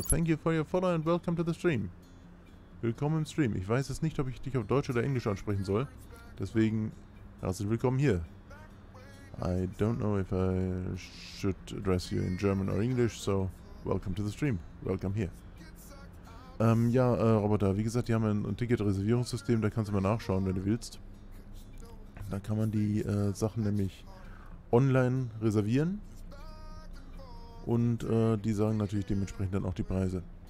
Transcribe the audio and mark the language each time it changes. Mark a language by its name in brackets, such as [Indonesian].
[English] Thank you for your follow and welcome to the stream. [German] Willkommen im Stream. Ich weiß jetzt nicht, ob ich dich auf Deutsch oder Englisch ansprechen soll. Deswegen, herzlich willkommen hier. [English] I don't know if I should address you in German or English, so welcome to the stream. Welcome here. [German] Roboter, wie gesagt, die haben ein Ticket-Reservierungssystem, da kannst du mal nachschauen, wenn du willst. Da kann man die Sachen nämlich online reservieren und die sagen natürlich dementsprechend dann auch die Preise.